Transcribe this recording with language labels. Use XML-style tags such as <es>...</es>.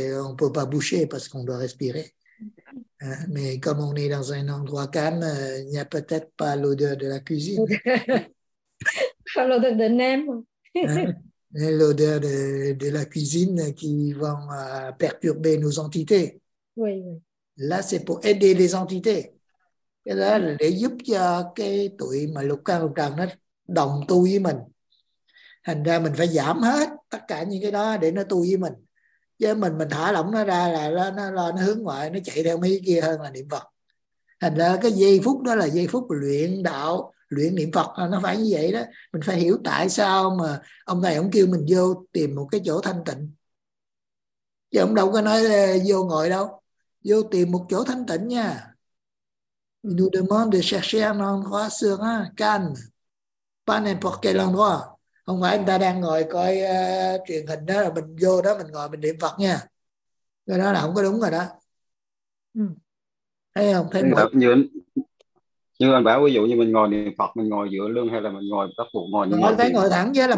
<fr>On peut pas boucher parce qu'on doit respirer. Hein? Mais comme on est dans un endroit calme, il n'y a peut-être pas l'odeur de la cuisine. Alors de Hein? L'odeur de la cuisine qui vont perturber nos entités. Oui. Là, c'est pour aider les entités. Et là,</fr> <vi>để giúp cho cái tụi mà lục căn lục trần nó đồng tu với mình. Thành ra mình phải giảm hết tất cả những cái đó để nó tu với mình. Chứ mình thả lỏng nó ra là nó hướng ngoại, nó chạy theo mấy kia hơn là niệm Phật. Thành ra cái giây phút đó là giây phút luyện đạo, luyện niệm Phật, nó phải như vậy đó. Mình phải hiểu tại sao mà ông thầy ông kêu mình vô tìm một cái chỗ thanh tịnh, chứ ông đâu có nói vô ngồi đâu, vô tìm một chỗ thanh tịnh nha.</vi> <fr>Nous demande de chercher un endroit serein, calme, pas n'importe quel endroit.</fr> <vi>Không phải người ta đang ngồi coi truyền hình đó là mình vô đó mình ngồi mình niệm Phật nha, cái đó là không có đúng rồi đó, thấy không? Thấy mọi Như Nhưng anh bảo ví dụ như mình ngồi niệm Phật, mình ngồi giữa lưng hay là mình ngồi các cụ ngồi như Ngồi ngồi phải biếng ngồi thẳng ra làm</vi>